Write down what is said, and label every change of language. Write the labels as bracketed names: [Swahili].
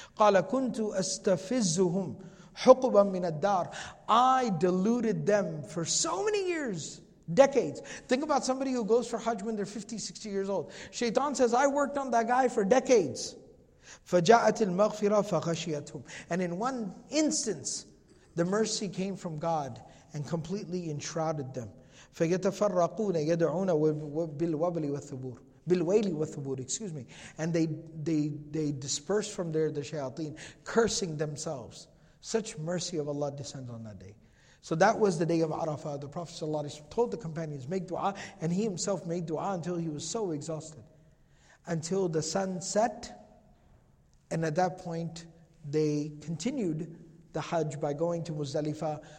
[Arabic] قَالَ كُنْتُ أَسْتَفِزُّهُمْ حُقُبًا مِنَ الدَّارِ [English] I deluded them for so many years, decades. Think about somebody who goes for Hajj when they're 50, 60 years old. Shaytan says, I worked on that guy for decades. [Arabic] فَجَاءَتِ الْمَغْفِرَةِ فَغَشِيَتْهُمْ [English] And in one instance, the mercy came from God and completely enshrouded them. [Arabic] فَيَتَفَرَّقُونَ يَدْعُونَ بِالْوَبْلِ وَالثُّبُورِ بِالْوَيْلِ وَالثُّبُورِ [English] Excuse me. And they disperse from there, the shayateen, cursing themselves. Such mercy of Allah descends on that day. So that was the day of Arafah. The Prophet ﷺ told the companions, make dua. And he himself made dua until he was so exhausted. Until the sun set. And at that point, they continued the Hajj by going to Muzdalifah.